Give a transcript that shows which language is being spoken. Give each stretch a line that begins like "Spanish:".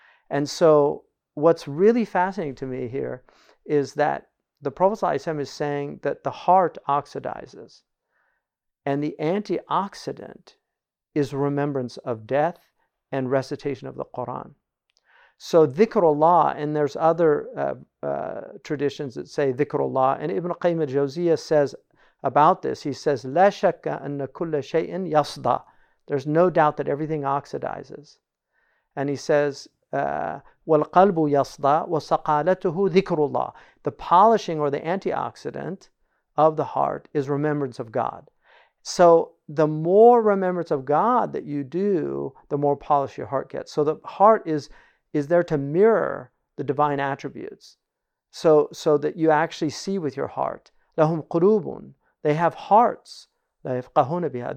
English: And so what's really fascinating to me here is that the Prophet ﷺ is saying that the heart oxidizes, and the antioxidant is remembrance of death and recitation of the Quran. So dhikrullah, and there's other traditions that say dhikrullah, and Ibn Qayyim al-Jawziyyah says about this, he says,
Arabic: لَا شَكَّ أَنَّ كُلَّ شَيْءٍ يَصْدَى.
English: There's no doubt that everything oxidizes. And he says,
Arabic: وَالْقَلْبُ يَصْدَى وَسَقَالَتُهُ ذِكْرُ اللَّهِ.
English: The polishing or the antioxidant of the heart is remembrance of God. So the more remembrance of God that you do, the more polished your heart gets. So the heart is there to mirror the divine attributes, so that you actually see with your heart.
Arabic: لَهُمْ قُلُوبٌ.
English: They have hearts.
Arabic: لَا يَفْقَهُونَ بِهَا.